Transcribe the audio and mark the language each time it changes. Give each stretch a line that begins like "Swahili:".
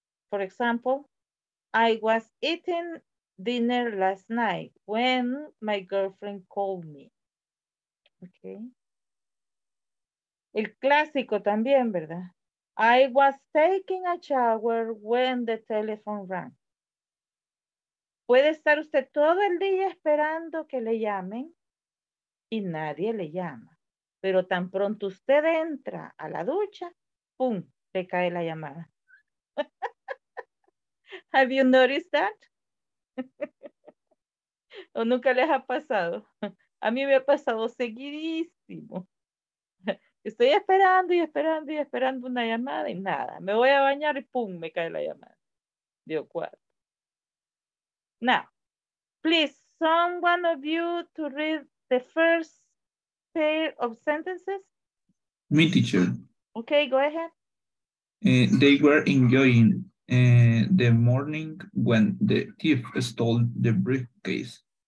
English: For example, I was eating dinner last night when my girlfriend called me. Okay.
Spanish: El clásico también, ¿verdad?
English: I was taking a shower when the telephone rang.
Spanish: Puede estar usted todo el día esperando que le llamen y nadie le llama. Pero tan pronto usted entra a la ducha, ¡pum!, le cae la llamada.
English: Have you noticed that?
Spanish: ¿O nunca les ha pasado? A mí me ha pasado seguidísimo. Estoy esperando y esperando y esperando una llamada y nada. Me voy a bañar y pum, me cae la llamada. Dios cuatro.
English: Now, please, someone of you to read the first pair of sentences. Me, teacher. Okay, go ahead. They were enjoying the morning when the thief stole the briefcase.